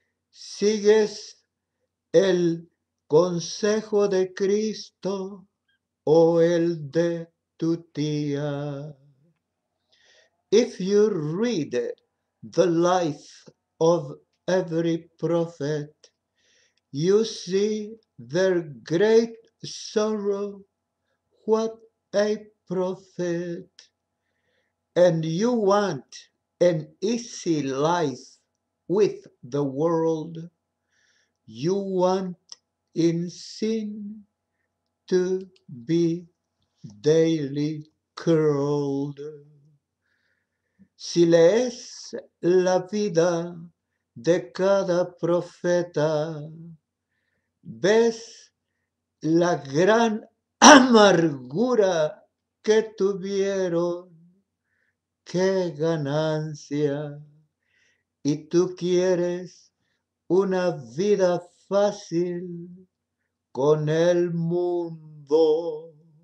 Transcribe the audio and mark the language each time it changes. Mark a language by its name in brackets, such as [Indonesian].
[Spanish] ¿Sigues el consejo de Cristo o el de tu tía? [English] If you read the life of every prophet, you see their great sorrow. What a prophet! And you want an easy life with the world. You want in sin to be daily curled. [Spanish] Si lees la vida de cada profeta, ves la gran amargura que tuvieron. ¡Qué ganancia! Y tú quieres una vida fácil con el mundo.